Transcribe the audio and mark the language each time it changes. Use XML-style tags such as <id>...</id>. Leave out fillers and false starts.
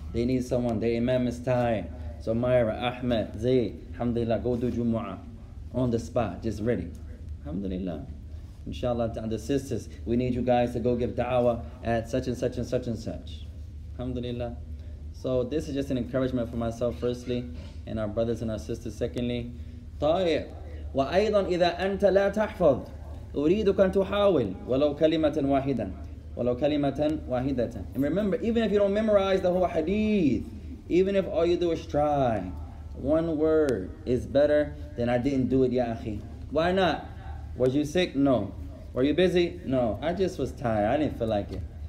<en>They need someone, the imam is tired. So Myra, Ahmed, Zay, alhamdulillah, go do jumu'ah on the spot, just ready. Alhamdulillah. Inshallah ta'ala, the sisters, we need you guys to go give da'wah at such and such and such and such. Alhamdulillah. So this is just an encouragement for myself, firstly, and our brothers and our sisters, secondly.</en> <ar>طيب وأيضا إذا أنت لا تحفظ أريدك أن تحاول ولو كلمة واحدة.</ar> <en>And remember, even if you don't memorize the whole hadith, even if all you do is try, one word is better than I didn't do it,</en> <ar>يا أخي.</ar> <en>Why not? Was you sick? No. Were you busy? No. I just was tired. I didn't feel like it.</en>